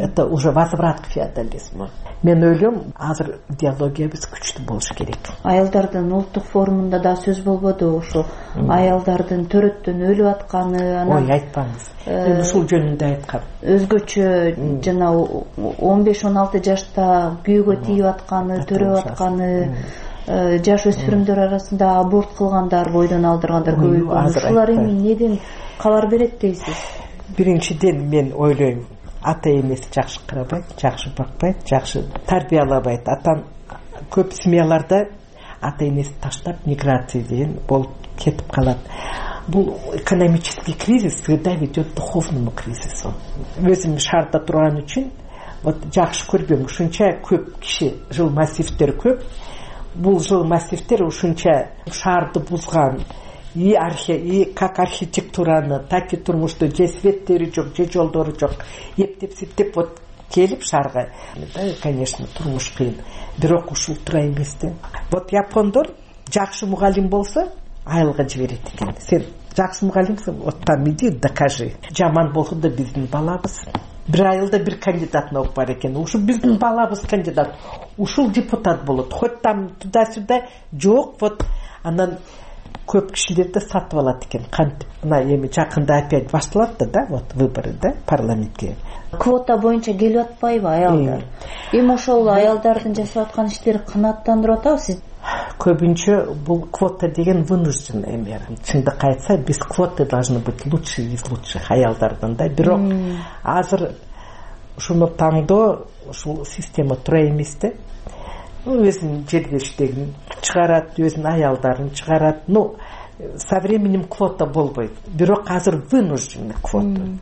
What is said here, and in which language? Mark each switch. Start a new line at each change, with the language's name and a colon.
Russian: Это уже возврат к феодализму.
Kyrgyz: Мен ойлом, азыр диалогиябыз күчтүү болуш керек. Аялдардын улуттук форумунда да сөз болбоду ушул аялдардын төрөттөн өлүп атканы, анан ой, айтпаңыз. Мен ушул жөнүндө айткам. Өзгөчө жана 15-16 жашта күйөөгө тийип атканы, төрөп атканы, жаш өспүрүмдөр арасында аборт кылгандар, бойдон алдыргандар көбөйүп атат. Булар эми эмнеден кабар берет дейсиз? Биринчиден мен ойлойм, ата эмеси жакшы карабайт, жакшы бакпайт, жакшы тарбиялабайт. Атан көп семьяларда ата эмеси таштап миграция деген болуп кетип калат.
Russian: Бул экономический кризис всегда ведет к духовному кризису.
Kyrgyz: Өзүм шаарда турган үчүн вот жакшы көрбөм, ушунча көп киши, жыл массивдер көп. Бул жыл массивдер ушунча шаарды бузган. И как архитектураны, так и турмушту, же светтери жок, же жолдору жок, ептеп-септеп вот келип шарга. Да, конечно, турмуш кыйын. Бирок ушул тура эмес да. Вот япондор жакшы мугалим болсо, айылга жиберет экен. Сен жакшы мугалимсиң, вот
Russian: там иди, докажи.
Kyrgyz: Жаман болсо да биздин балабыз. Бир айылда бир кандидатын окуп бар экен. Ушул биздин балабыз кандидат. Ушул депутат болот.
Russian: Хоть там туда-сюда
Kyrgyz: жок, вот анан көп кишилерди сатып алат экен. Кантип? Мына эми жакында опять башталат да,
Russian: вот выборы
Kyrgyz: да, парламентке. Квота боюнча келип атпайбы аялдар? Эми ошол аялдардын жасап аткан иштери канааттандырып атабы сиз? Көбүнчө бул квота деген
Russian: вынужденный мер.
Kyrgyz: Чындыкка айтса, биз квота
Russian: должны быть лучше из лучших
Kyrgyz: аялдардан да. Бирок азыр ушуну таңдоо ушул система туура эмес да. Өзүн жергиштигин чыгарат, өзүн аялдарын чыгарат. Ну, со временем квота болбойт. Бирок азыр вынужденный квота.